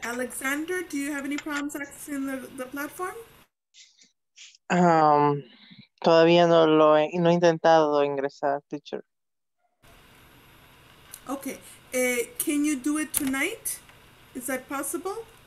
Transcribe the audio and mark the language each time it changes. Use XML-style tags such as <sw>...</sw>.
<en>Alexander, do you have any problems accessing the platform?</en> <es>Todavía no lo he, no he intentado ingresar, teacher.</es> <en>Okay, can you do it tonight? Is that possible?</en>